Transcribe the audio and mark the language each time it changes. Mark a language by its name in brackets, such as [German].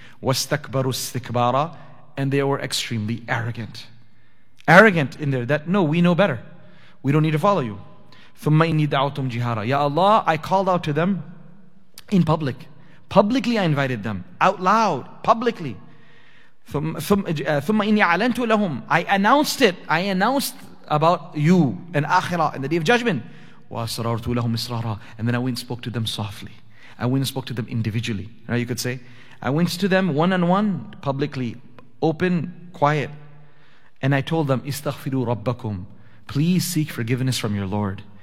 [Arabic] وَاسْتَكْبَرُوا اسْتِكْبَارًا [English] and they were extremely arrogant. Arrogant in there that, no, we know better. We don't need to follow you. [Arabic] ثُمَّ إِنِّي دَعَوْتُمْ جِهَارًا [English] Ya Allah, I called out to them in public. Publicly I invited them. Out loud, publicly. [Arabic] ثُمَّ إِنِّي أَعْلَنْتُ لَهُمْ [English] I announced it. I announced about you and Akhirah and the Day of Judgment. [Arabic] وَأَسْرَرْتُ لَهُمْ إِسْرَارًا [English] And then I went and spoke to them softly. I went and spoke to them individually. Now you could say, I went to them one-on-one, publicly, open, quiet. And I told them, [Arabic] إِسْتَغْفِرُوا رَبَّكُمْ [English] Please seek forgiveness from your Lord.